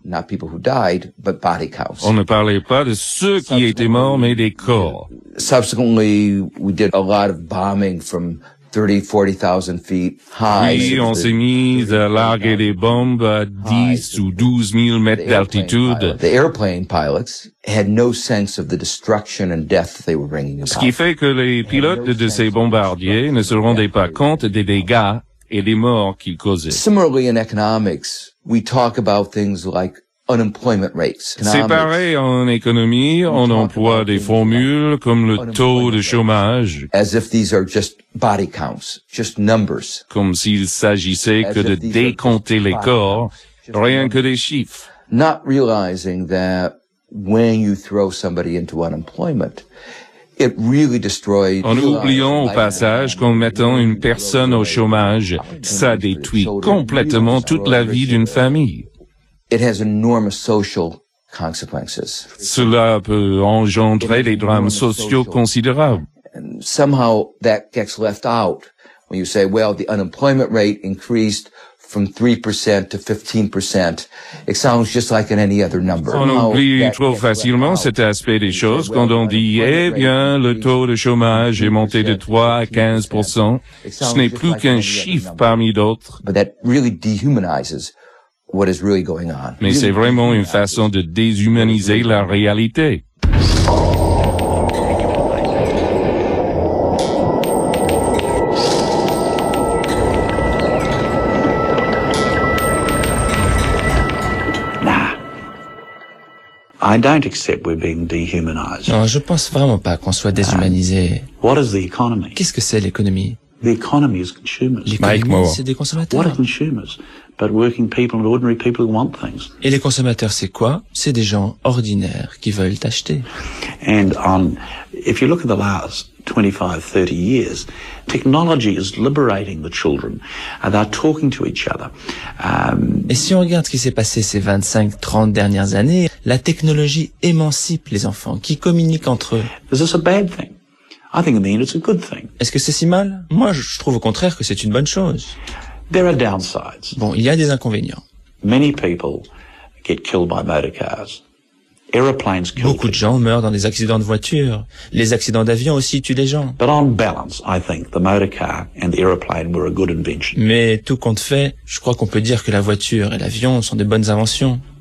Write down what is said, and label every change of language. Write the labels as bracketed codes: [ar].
[en] Not people who died, but body counts. [fr] On ne parlait pas de ceux qui étaient morts, mais des corps. [en] Subsequently, we did a lot of bombing from 30,000-40,000 feet high. [fr] Puis on s'est mis à larguer des bombes à 10 ou 12 000 mètres d'altitude. [en] The airplane pilots had no sense of the destruction and death they were bringing about. [fr] Ce qui fait que les pilotes de ces bombardiers ne se rendaient pas compte des dégâts et des morts qu'ils causaient. [en] Similarly, in economics, we talk about things like unemployment rates. [fr] C'est pareil en économie, on emploie des formules comme le taux de chômage. [en] As if these are just body counts, just numbers. [fr] Comme s'il s'agissait que de décompter les corps, rien que des chiffres. [en] Not realizing that when you throw somebody into unemployment, it really destroyed. [fr] En oubliant au passage qu'en mettant une personne au chômage, ça détruit complètement toute la vie d'une famille. [en] It has enormous social consequences. [fr] Cela peut engendrer des drames sociaux considérables. [en] And somehow that gets left out when you say, well, the unemployment rate increased from 3% to 15%. It sounds just like in any other number. [fr] On oublie trop facilement cet aspect des choses quand on dit, eh bien, le taux de chômage est monté de 3 à 15%. Ce n'est plus qu'un chiffre parmi d'autres. [en] But that really dehumanizes what is really going on. [fr] Mais c'est vraiment une façon de déshumaniser la réalité. [en] I don't accept we're being dehumanized. [fr] Non, je pense vraiment pas qu'on soit déshumanisé. [en] What is the economy? [fr] Qu'est-ce que c'est l'économie? [en] The economy is consumers. [fr] L'économie, c'est des consommateurs. [en] What are consumers? But working people and ordinary people who want things. [fr] Et les consommateurs, c'est quoi? C'est des gens ordinaires qui veulent acheter. [en] And if you look at the last 25-30 years, technology is liberating the children. They're talking to each other. [fr] Et si on regarde ce qui s'est passé ces 25-30 dernières années, la technologie émancipe les enfants qui communiquent entre eux. [en] Is this a bad thing? I think in the end it's a good thing. [fr] Est-ce que c'est si mal? Moi, je trouve au contraire que c'est une bonne chose. [en] There are downsides. [fr] Bon, il y a des inconvénients. [en] Many people get killed by motor cars. Aeroplanes kill. [fr] Beaucoup de gens meurent dans des accidents de voiture. Les accidents d'avion aussi tuent des gens. [en] But on balance, I think the motor car and the aeroplane were a good invention. [fr] Mais tout compte fait, je crois qu'on peut dire que la voiture et l'avion sont de bonnes inventions.